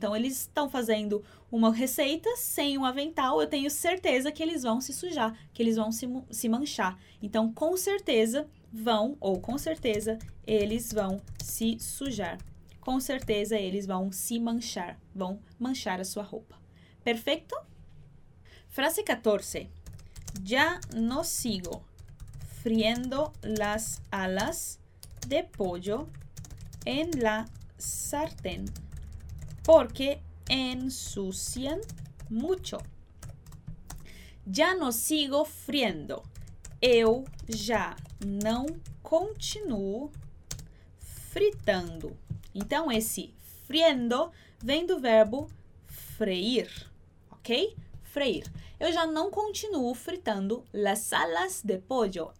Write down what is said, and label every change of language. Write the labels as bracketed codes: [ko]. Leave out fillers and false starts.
[pt] Então, eles estão fazendo uma receita sem um avental. Eu tenho certeza que eles vão se sujar, que eles vão se manchar. Então, com certeza vão, ou com certeza eles vão se sujar. Com certeza eles vão se manchar, vão manchar a sua roupa. Perfeito? Frase 14. [es] Já no sigo friendo las alas de pollo en la sartén porque ensucian mucho. Já no sigo friendo. [pt] Eu já não continuo fritando. Então, esse friendo vem do verbo freir, ok? Freir. Eu já não continuo fritando [es] las alas de pollo.